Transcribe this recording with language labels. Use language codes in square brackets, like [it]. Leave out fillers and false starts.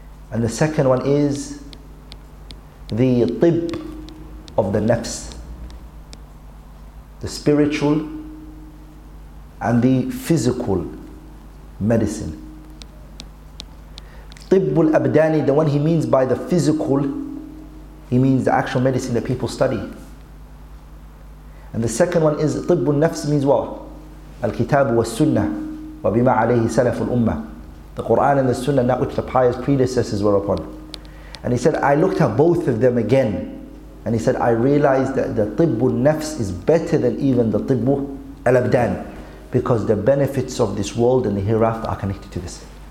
[en] And the second one is the طب of the نفس, the spiritual and the physical medicine. [ar] طب الأبدان, [en] the one he means by the physical, he means the actual medicine that people study. And the second one is [ar] طب النفس [en] means what? [ar] الكتاب والسنة وبما عليه سلف الأمة. [en] The Quran and the Sunnah, that which the pious predecessors were upon. And he said, I looked at both of them again. And he said, I realized that the [ar] طب النفس [en] is better than even the [ar] طب الأبدان. [en] Because the benefits of this world and the hereafter are connected to this.